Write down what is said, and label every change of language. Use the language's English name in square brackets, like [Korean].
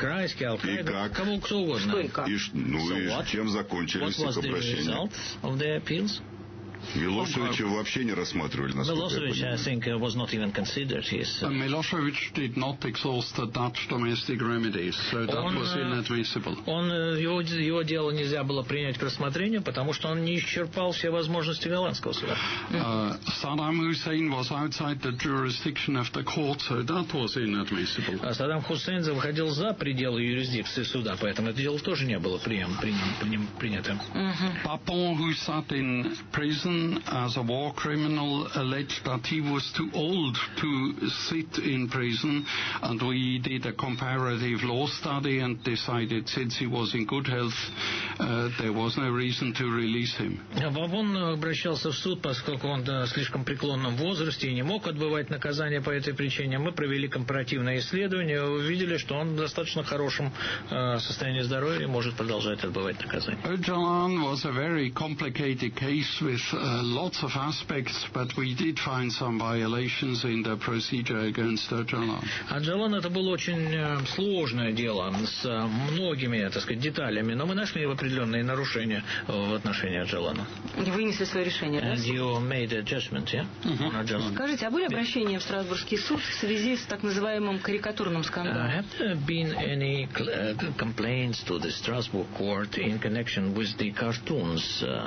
[Russian] Крайский, Алхайда, кому кто угодно. И, ну [English] so [Russian] и [English] what? [Russian] Чем закончились их обращения? [English] What was the result of their appeals? [Russian] Милошевича вообще не рассматривали, насколько я понимаю. [English] Was not even considered. Milošević did not exhaust the Dutch domestic remedies, so that was inadmissible. [Russian] Он его дело нельзя было принять к рассмотрению, потому что он не исчерпал все возможности голландского суда. [English] Саддам Хусейн was outside the jurisdiction of the court, so that was inadmissible. [Russian] Саддам Хусейн выходил за пределы юрисдикции суда, поэтому это дело тоже не было принято. [English] Папон, who sat in prison as a war criminal, alleged that he was too old to sit in prison, and we did a comparative law study and decided since he was in good health, there was no reason to release him. [Russian] Вавон обращался в суд, поскольку он слишком преклонном возрасте и не мог отбывать наказание по этой причине. Мы провели компаративное исследование, увидели, что он в достаточно хорошем состоянии здоровья и может продолжать отбывать наказание. [English] Öcalan was a very complicated case with lots of aspects, but we did find some violations in the procedure against Öcalan. [Russian] Öcalan, это было очень сложное дело с многими, так сказать, деталями, но мы нашли определенные нарушения в отношении Öcalan. И вынесли свое решение. [English] And you made a judgment, yeah? Mm-hmm. [Russian] Скажите, а были обращения в Страсбургский суд в связи с так называемым карикатурным скандалом? [English] Have there been any complaints to the Strasbourg court in connection with the cartoons?